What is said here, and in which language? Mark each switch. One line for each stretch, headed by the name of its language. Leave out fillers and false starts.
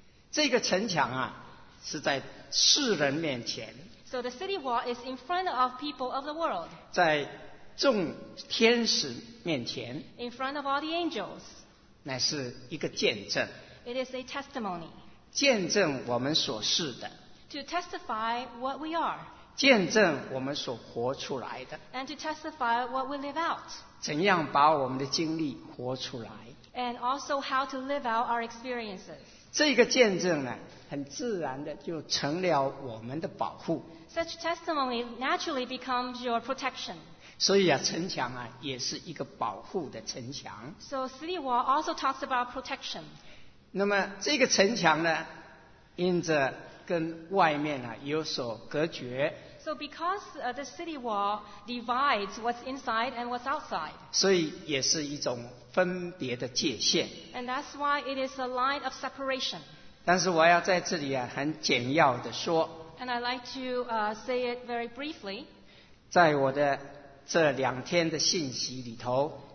Chinese: 这个城墙啊，是在世人面前。
English: So the city wall is in front of people of the world.
Chinese: 在众天使面前。
English: In front of all the angels.
Chinese: 乃是一个见证。
English: It is a testimony.
Chinese: 见证我们所是的
English: ，to testify what we are，
Chinese: 见证我们所活出来的
English: ，and to testify what we live out，
Chinese: 怎样把我们的经历活出来
English: ，and also how to live out our experiences。
Chinese: 这个见证呢，很自然的就成了我们的保护。
English: Such testimony naturally becomes your protection。
Chinese: 所以啊，城墙啊，也是一个保护的城墙。
English: So city wall also talks about protection。
Chinese: 那么这个城墙呢，因着跟外面啊有所隔绝。
English: So because the city wall divides what's inside and what's outside.
Chinese: 所以也是一种分别的界限。
English: And that's why it is a line of separation.
Chinese: 但是我要在这里啊，很简要的说。
English: And I'd like to say it very briefly.
Chinese: 在我的这两天的信息里头。